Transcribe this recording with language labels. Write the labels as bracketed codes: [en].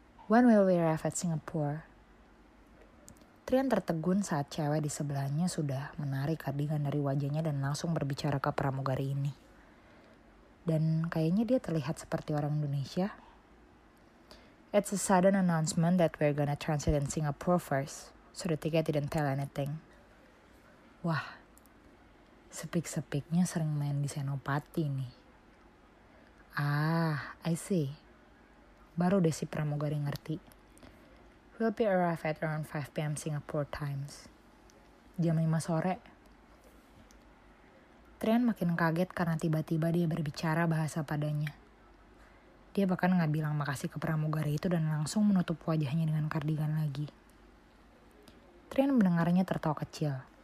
[en] When will we arrive at Singapore? [id] Trian tertegun saat cewek di sebelahnya sudah menarik kardigan dari wajahnya dan langsung berbicara ke pramugari ini. Dan kayaknya dia terlihat seperti orang Indonesia. [en] It's a sudden announcement that we're gonna transit in Singapore first, so the ticket didn't tell anything. [id] Wah, sepik-sepiknya sering main di Senopati nih. [en] Ah, I see. [id] Baru deh si pramugari ngerti. [en] We'll be arrive at around 5 PM Singapore times. [id] Jam 5 sore. Trian makin kaget karena tiba-tiba dia berbicara bahasa padanya. Dia bahkan gak bilang makasih ke pramugari itu dan langsung menutup wajahnya dengan kardigan lagi. Trian mendengarnya tertawa kecil.